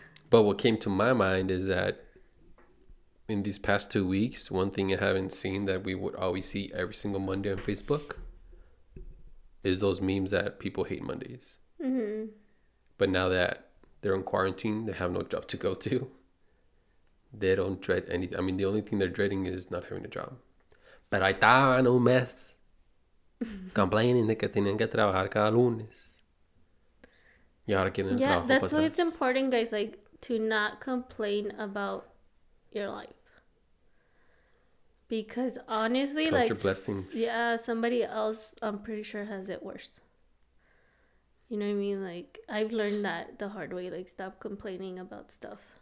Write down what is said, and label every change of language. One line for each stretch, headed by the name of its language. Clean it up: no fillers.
English: But what came to my mind is that in these past 2 weeks, one thing I haven't seen that we would always see every single Monday on Facebook is those memes that people hate Mondays. Mm-hmm. But now that they're on quarantine. They have no job to go to. They don't dread anything. I mean, the only thing they're dreading is not having a job.
Spanish: Pero ahí estaban un mes complaining de que tenían que trabajar cada lunes. Y ahora quieren trabajar.
English: Yeah, that's why it's important, guys, like, to not complain about your life. Because honestly, count like, your blessings. Yeah, somebody else, I'm pretty sure, has it worse. You know what I mean? Like, I've learned that the hard way. Like, stop complaining about stuff.